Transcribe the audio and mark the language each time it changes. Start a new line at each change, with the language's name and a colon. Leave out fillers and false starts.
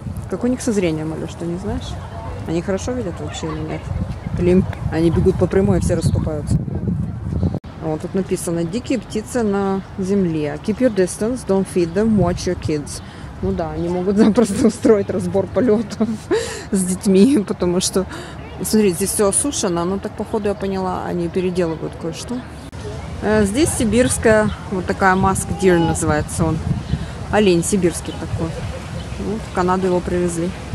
Russian: Как у них со зрением, Алёш, ты не знаешь? Они хорошо видят вообще или нет? Клим, они бегут по прямой, и все расступаются. Вот тут написано, дикие птицы на земле.
English: Keep your distance, don't feed them, watch your kids.
Russian: Ну да, они могут запросто устроить разбор полетов с детьми, потому что, смотри, здесь все осушено, но так, походу, я поняла, они переделывают кое-что. Здесь сибирская, вот такая маск дир называется он. Олень сибирский такой. Вот, в Канаду его привезли.